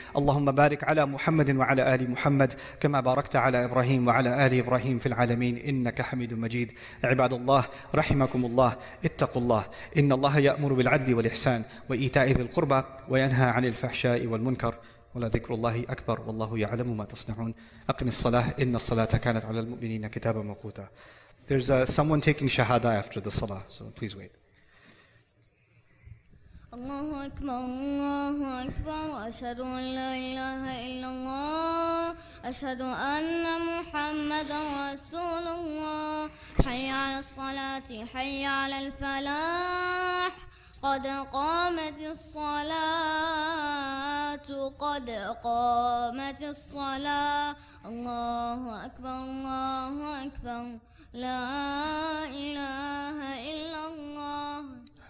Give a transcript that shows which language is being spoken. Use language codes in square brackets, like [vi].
[ar] اللهم بارك على محمد وعلى آل محمد كما باركت على إبراهيم وعلى آل إبراهيم في العالمين إنك حميد مجيد. عباد الله رحمكم الله اتقوا الله إن الله يأمر بالعدل والإحسان وإيتاء ذي القربى وينهى عن الفحشاء والمنكر ولذكر الله أكبر والله يعلم ما تصنعون. أقم الصلاة إن الصلاة كانت على المؤمنين كتابا موقوتا. [en] There's someone taking shahada after the salah, so please wait. [ar] الله أكبر الله أكبر أشهد أن لا إله إلا الله أشهد أن محمد رسول الله حي على الصلاة حي على الفلاح قد قامت الصلاة قد قامت الصلاة الله أكبر الله أكبر لا إله إلا الله.